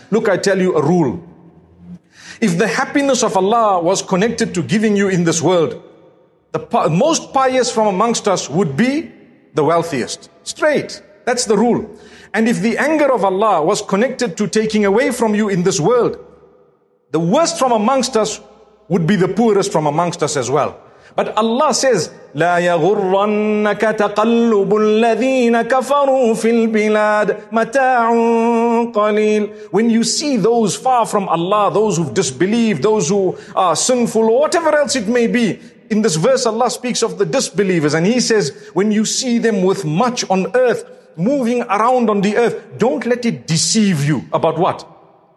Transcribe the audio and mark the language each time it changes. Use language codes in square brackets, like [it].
[en] Look, I tell you a rule. If the happiness of Allah was connected to giving you in this world, the most pious from amongst us would be the wealthiest. Straight. That's the rule. And if the anger of Allah was connected to taking away from you in this world, the worst from amongst us would be the poorest from amongst us as well. But Allah says, [ar] لَا يَغُرَّنَّكَ تَقَلُّبُ الَّذِينَ كَفَرُوا فِي الْبِلَادِ مَتَاعٌ قَلِيلٌ. [en] When you see those far from Allah, those who've disbelieved, those who are sinful, or whatever else it may be, in this verse Allah speaks of the disbelievers, and He says, when you see them with much on earth, moving around on the earth, don't let it deceive you. About what?